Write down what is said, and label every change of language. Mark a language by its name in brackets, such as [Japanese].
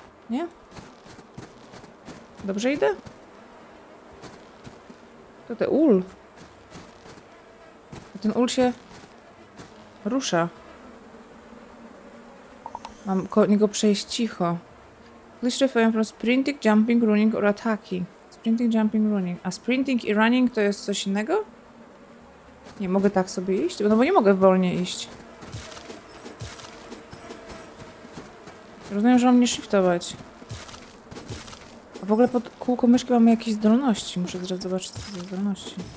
[Polish] Nie? Dobrze idę? To te ul. A ten ul się rusza. Mam koło niego przejść cicho. [English] Please refrain from sprinting, jumping, running or attacking. Sprinting, jumping, running. [Polish] A sprinting i running to jest coś innego? Nie mogę tak sobie iść, no bo nie mogę wolnie iść. Rozumiem, że mam nie shiftować. A w ogóle pod kółko myszki mamy jakieś zdolności. Muszę zaraz zobaczyć, co to za zdolności.